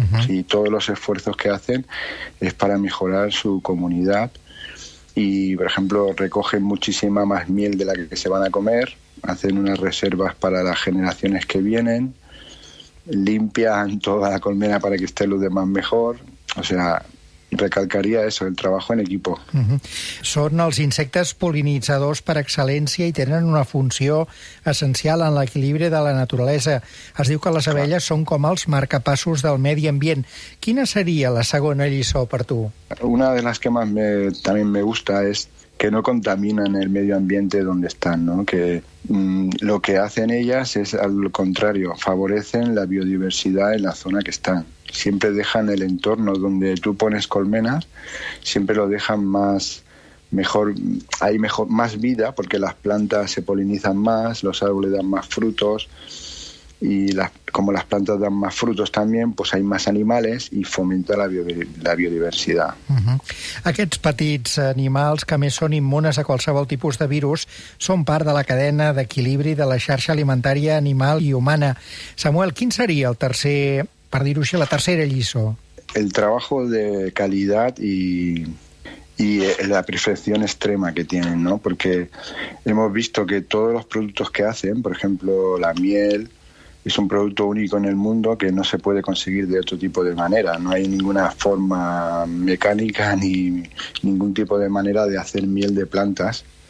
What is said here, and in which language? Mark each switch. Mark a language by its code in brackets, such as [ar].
[es] Y todos los esfuerzos que hacen es para mejorar su comunidad y, por ejemplo, recogen muchísima más miel de la que se van a comer, hacen unas reservas para las generaciones que vienen, limpian toda la colmena para que estén los demás mejor, o sea, recalcaria eso, el trabajo en equipo. [ca] Són els insectes polinizadors per excel·lència i tenen una funció essencial en l'equilibri de la naturalesa. Es diu que les abelles són com els marcapassos del medi ambient. Quina seria la segona lliçó per tu? [es] Una [ca] de les [es] que más también me gusta es que no contaminan el medio ambiente donde están, ¿no? Que lo que hacen ellas es al contrario, favorecen la biodiversidad en la zona que están. Siempre dejan el entorno donde tú pones colmenas, siempre lo dejan más mejor, hay mejor, más vida, porque las plantas se polinizan más, los árboles dan más frutos y como las plantas dan más frutos también, pues hay más animales y fomenta la biodiversidad. [ca] Aquests petits animals, que a més són immunes a qualsevol tipus de virus, són part de la cadena d'equilibri de la xarxa alimentària animal i humana. Samuel, quin seria el tercer, per dir-ho així, la tercera lliçó? [es] El trabajo de calidad y la perfección extrema que tienen, ¿no? Porque hemos visto que todos los productos que hacen, por ejemplo, la miel, es un producto único en el mundo que no se puede conseguir de otro tipo de manera. No hay ninguna forma mecánica ni ningún tipo de manera de hacer miel de plantas.